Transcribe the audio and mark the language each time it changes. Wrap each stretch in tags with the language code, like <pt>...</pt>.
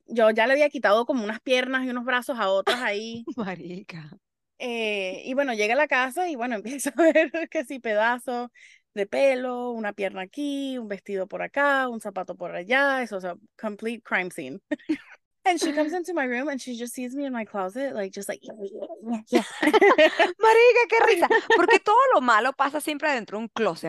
<es>Yo ya le había quitado como unas piernas y unos brazos a otras ahí. Marica. Y bueno, llega a la casa y bueno, empiezo a ver que sí, pedazo de pelo, una pierna aquí, un vestido por acá, un zapato por allá. Eso es</es> <en>a complete crime scene. And she comes into my room and she just sees me in my closet, like, just like, yeah.</en> <es>Marica, qué risa. Porque todo lo malo pasa siempre dentro de un closet,</es>